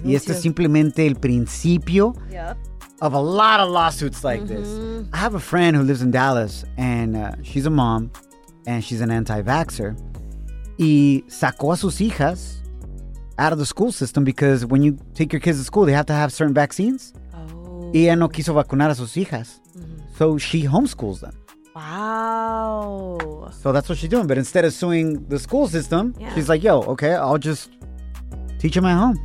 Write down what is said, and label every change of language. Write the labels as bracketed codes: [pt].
[es] y este es simplemente el principio [en] of a lot of lawsuits like this. I have a friend who lives in Dallas, and she's a mom, and she's an anti-vaxxer. [es] Y sacó a sus hijas [en] out of the school system because when you take your kids to school, they have to have certain vaccines. Oh. [es] Y ella no quiso vacunar a sus hijas. [en] So she homeschools them. Wow. So that's what she's doing. But instead of suing the school system, she's like, yo, okay, I'll just teach him at home.